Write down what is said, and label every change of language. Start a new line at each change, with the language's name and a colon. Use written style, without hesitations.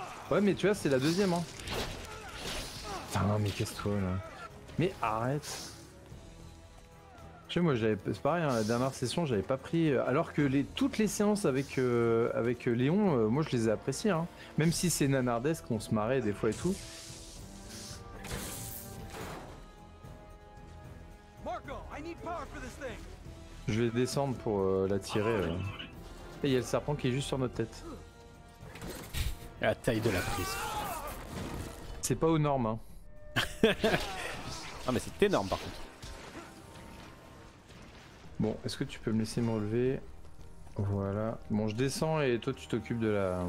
French: Ouais, mais tu vois, c'est la deuxième. Putain, hein. Mais casse-toi là. Mais arrête! Moi j'avais, c'est pareil, hein, la dernière session j'avais pas pris, alors que toutes les séances avec Léon, moi je les ai appréciées, hein. Même si c'est nanardesque, on se marrait des fois et tout.
English: Marco, I need power for this thing.
French: Je vais descendre pour l'attirer. Et il y a le serpent qui est juste sur notre tête. La taille de la prise. C'est pas aux normes. Hein. Non mais c'est énorme par contre. Bon, est-ce que tu peux me laisser me relever? Voilà. Bon, je descends et toi tu t'occupes de la...